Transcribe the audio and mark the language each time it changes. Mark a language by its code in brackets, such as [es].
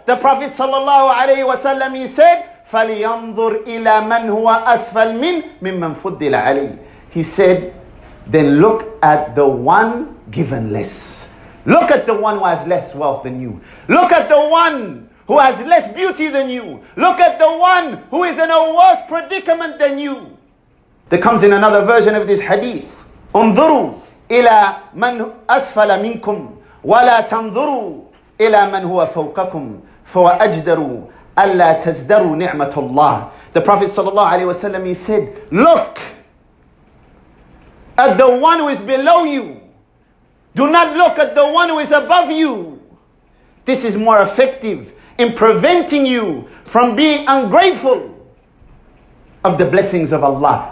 [en] The Prophet sallallahu alayhi wa sallam, he said, [ar] فَلْيَنْظُرْ إِلَى مَنْ هُوَ أَسْفَلْ مِنْ مِمَّنْ فُضِّلَ عَلَيْهِ [en] He said, then look at the one given less. Look at the one who has less wealth than you. Look at the one who has less beauty than you. Look at the one who is in a worse predicament than you. There comes in another version of this hadith. [ar] انظروا إلى من أسفل منكم ولا تنظروا إلى من هو فوقكم فأجدروا ألا تزدروا نعمة الله. [en] The Prophet sallallahu alaihi wasallam, he said, look at the one who is below you. Do not look at the one who is above you. This is more effective in preventing you from being ungrateful of the blessings of Allah.